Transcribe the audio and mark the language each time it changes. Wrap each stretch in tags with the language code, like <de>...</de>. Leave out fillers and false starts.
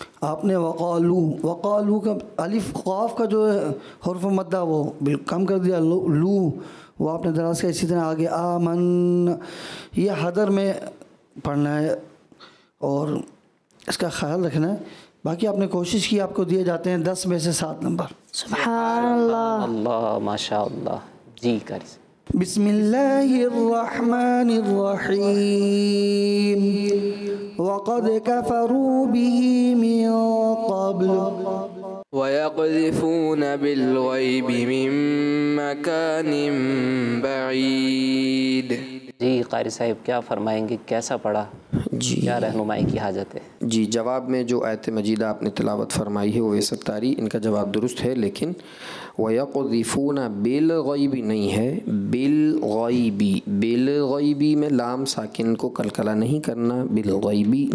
<ur>آپ نے وقالو, وقالو کا الف قاف کا جو حرف مدہ وہ کم کر دیا لو, وہ آپ نے دراز کا اسی طرح آگے آمن, یہ حدر میں پڑھنا ہے اور اس کا خیال رکھنا ہے. باقی آپ نے کوشش کی, آپ کو دیے جاتے ہیں 10 میں سے 7 نمبر. سبحان اللہ, اللہ ماشاءاللہ. جی کر.</ur> <ar>بسم اللہ الرحمن الرحیم وقد كفروا به من قبل ويقذفون بالغيب من مكان بعيد.</ar> <ur>جی قاری صاحب کیا فرمائیں گے, کیسا پڑھا جی, کیا رہنمائی کی حاجت ہے جی؟ جواب میں جو آیت مجیدہ آپ نے تلاوت فرمائی ہے وہ ویسے تاری, ان کا جواب درست ہے, لیکن ویقذفون بالغیب نہیں ہے, بالغیبی, بالغیبی میں لام ساکن کو کلکلہ نہیں کرنا, بالغیبی.</ur>